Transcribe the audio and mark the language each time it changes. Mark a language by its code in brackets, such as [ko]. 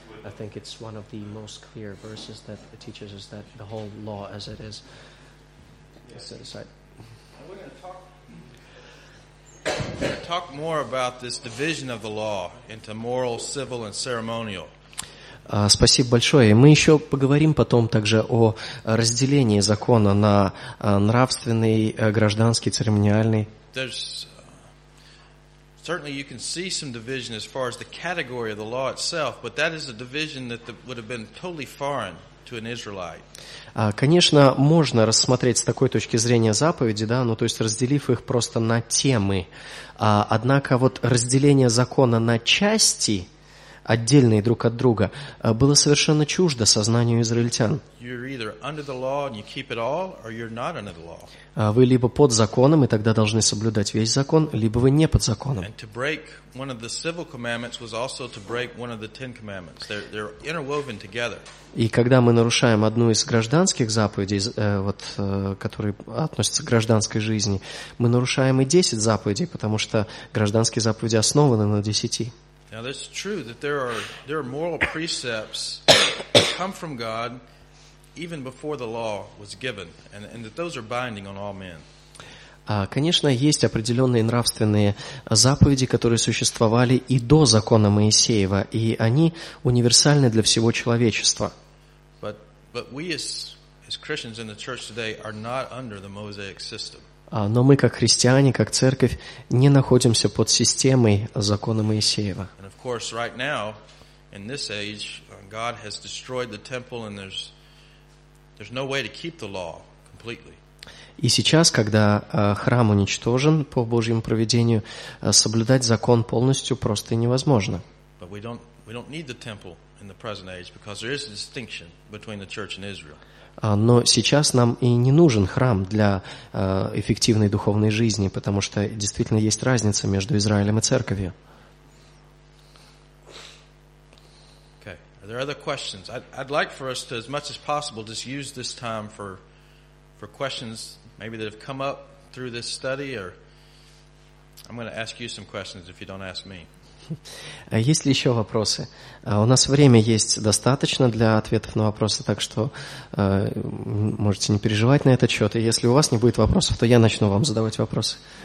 [en] I think it's one of the most clear verses that teaches us that the whole law as it is set aside. Talk more about this division of the law into moral, civil, and ceremonial. [ru] Спасибо большое. Мы еще поговорим потом также о разделении закона на нравственный, гражданский, церемониальный. [en] Certainly, you can see some division as far as the category of the law itself, but that is a division that would have been totally foreign to an Israelite. [ru] Конечно, можно рассмотреть с такой точки зрения заповеди, да, ну то есть разделив их просто на темы. Однако вот разделение закона на части, отдельные друг от друга, было совершенно чуждо сознанию израильтян. Вы либо под законом, и тогда должны соблюдать весь закон, либо вы не под законом. [en] And to break one of the civil commandments was also to break one of the Ten Commandments. They're interwoven together. [ru] И когда мы нарушаем одну из гражданских заповедей, вот, которые относятся к гражданской жизни, мы нарушаем и 10 заповедей, потому что гражданские заповеди основаны на 10. [en] Now that's true that there are moral precepts that come from God even before the law was given, and that those are binding on all men. [ru] Конечно, есть определенные нравственные заповеди, которые существовали и до закона Моисеева, и они универсальны для всего человечества. [en] But we as Christians in the church today are not under the Mosaic system. [ru] Но мы, как христиане, как церковь, не находимся под системой закона Моисеева. [en] And of course, right now, in this age, God has destroyed the temple, and there's no way to keep the law completely. [ru] И сейчас, когда храм уничтожен по Божьему провидению, соблюдать закон полностью просто невозможно. [en] But we don't need the temple in the present age, because there is a distinction between the church and Israel. [ru] Но сейчас нам и не нужен храм для эффективной духовной жизни, потому что действительно есть разница между Израилем и церковью. [en] Okay. Are there other questions? I'd like for us to, as much as possible, just use this time for questions maybe that have come up through this study, or I'm going to ask you some questions if you don't ask me. [ru] Есть ли еще вопросы? У нас время есть достаточно для ответов на вопросы, так что можете не переживать на этот счет. И если у вас не будет вопросов, то я начну вам задавать вопросы.